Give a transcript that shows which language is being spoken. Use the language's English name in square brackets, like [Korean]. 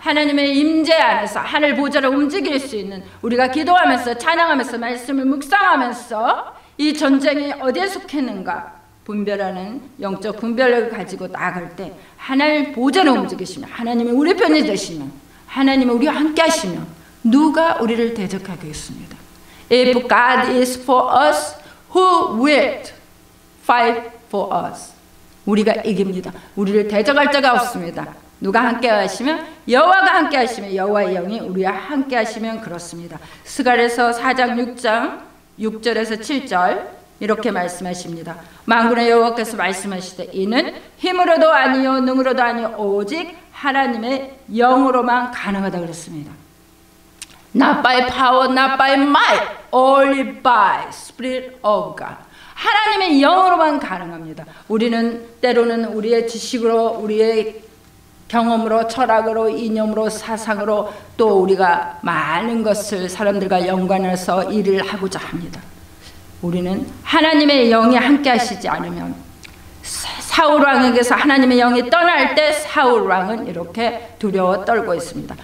[Korean] 하나님의 임재 안에서 하늘 보좌를 움직일 수 있는 우리가 기도하면서 찬양하면서 말씀을 묵상하면서 이 전쟁이 어디에 속했는가 분별하는 영적 분별력을 가지고 나아갈 때 하늘 보좌를 움직이시면 하나님이 우리 편이 되시면 하나님이 우리와 함께 하시면 누가 우리를 대적하겠습니까? [English] If God is for us, who will fight for us? [Korean] 우리가 이깁니다. 우리를 대적할 자가 없습니다. 누가 함께 하시면? 여호와가 함께 하시면 여호와의 영이 우리와 함께 하시면 그렇습니다. 스가랴서 4장 6장 6절에서 7절 이렇게 말씀하십니다. 만군의 여호와께서 말씀하시되 이는 힘으로도 아니요 능으로도 아니요 오직 하나님의 영으로만 가능하다 그랬습니다. [English] Not by power, not by might, only by Spirit of God. [Korean] 하나님의 영으로만 가능합니다. 우리는 때로는 우리의 지식으로, 우리의 경험으로, 철학으로, 이념으로, 사상으로 또 우리가 많은 것을 사람들과 연관해서 일을 하고자 합니다. 우리는 하나님의 영이 함께 하시지 않으면 사울왕에게서 하나님의 영이 떠날 때 사울왕은 이렇게 두려워 떨고 있습니다.